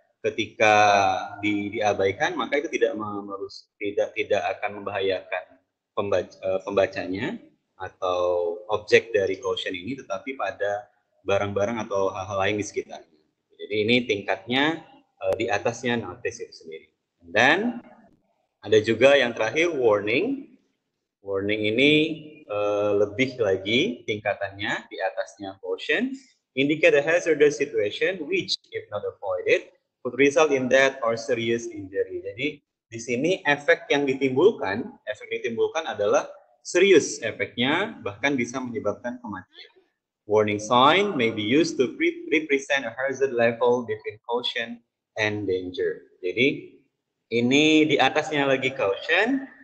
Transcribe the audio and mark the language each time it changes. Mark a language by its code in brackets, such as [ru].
[id] Ketika diabaikan maka itu tidak akan membahayakan pembacanya atau objek dari caution ini, tetapi pada barang-barang atau hal-hal lain di sekitarnya. Jadi ini tingkatnya di atasnya notice itu sendiri. Dan ada juga yang terakhir, warning. Warning ini lebih lagi tingkatannya di atasnya caution. [en] Indicate a hazardous situation which, if not avoided, could result in death or serious injury. [id] Jadi di sini efek yang ditimbulkan adalah serius efeknya, bahkan bisa menyebabkan kematian. [en] Warning sign may be used to represent a hazard level between caution and danger. [id] Jadi ini di atasnya lagi caution.